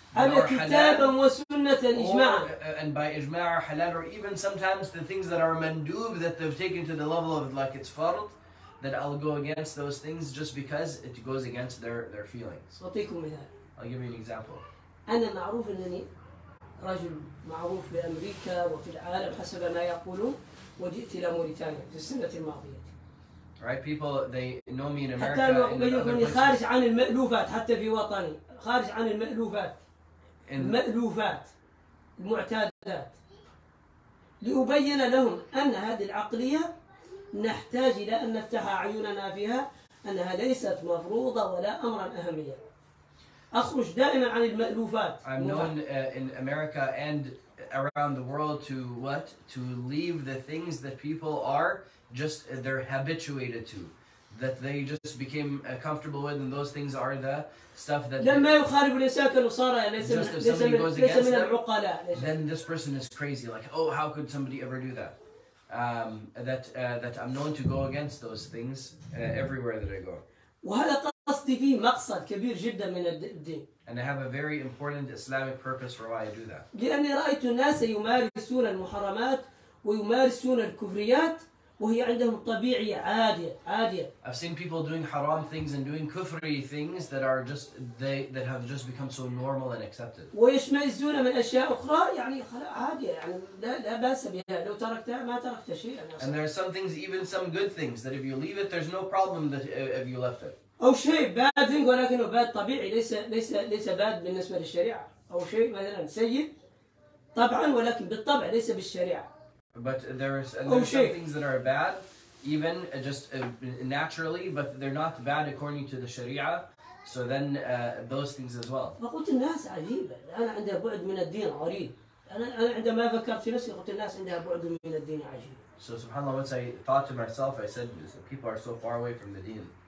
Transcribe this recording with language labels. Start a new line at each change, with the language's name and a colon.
Arabic: are كتاباً وسنة إجماع.
English: And by إجماع حلال or even sometimes the things that are mandub that they've taken to the level of like it's fard that I'll go against those things just because it goes against their feelings.
Arabic: أعطيكم مثال.
English: I'll give you an example.
Arabic: أنا معروف أنني رجل معروف بأمريكا وفي العالم حسب ما يقولون. وجئت إلى موريتانيا في السنة الماضية.
English: Right, people they know me in America.
Arabic: حتى لو بيقولني خارج عن المألوفات حتى في وطني خارج عن المألوفات. المألوفات المعتادات لأبين لهم أن هذه العقلية نحتاج إلى أن نفتح عيوننا فيها أنها ليست مفروضة ولا أمرا أهمية. أخرج دائما عن المألوفات.
English: I'm known in America and around the world to what? To leave the things that people are just, they're habituated to. That they just became comfortable with and those things are the stuff that
Arabic: لما يخالف الإنسان كالنصارى ليس من العقلاء
English: then this person is crazy. Like, oh, how could somebody ever do that? That I'm known to go against those things everywhere that I go.
Arabic: وهذا قصدي فيه مقصد كبير جدا من الدين.
English: And I have a very important Islamic purpose for why I do that.
Arabic: لأني رأيت الناس يمارسون المحرمات ويمارسون الكفريات وهي عندهم طبيعية عادية.
English: I've seen people doing haram things and doing kufri things that are just that have just become so normal and accepted.
Arabic: ويشمئزون من أشياء أخرى يعني عادية يعني لا بأس بها لو تركتها ما تركت شيء.
English: And there are some things, even some good things, that if you leave it, there's no problem that if you left it.
Arabic: أو شيء
English: bad thing
Arabic: ولكنه bad طبيعي ليس bad بالنسبة للشريعة أو شيء مثلا سيء طبعا ولكن بالطبع ليس بالشريعة
English: but there's some things that are bad even just naturally but they're not bad according to the شريعة so then those things as well
Arabic: فقلت الناس عجيبة أنا عندي بعد من الدين غريب أنا عندما فكرت في نفسي قلت الناس عندها بعد من الدين عجيب.
English: So subhanAllah, once I thought to myself, I said, people are so far away from the deen.